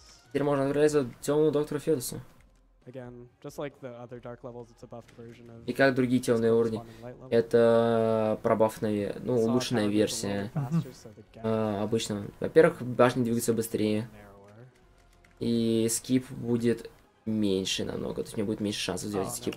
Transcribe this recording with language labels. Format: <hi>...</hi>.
<ru>Теперь можно играть за темного доктора Фетуса.</ru> <en>Again, just like the other dark levels, it's a buffed version of.</en> <ru>И как другие темные уровни, это пробафная, ну, улучшенная версия обычного. Во-первых, башни двигаются быстрее, и скип будет меньше намного, то есть мне будет меньше шансов сделать скип.</ru>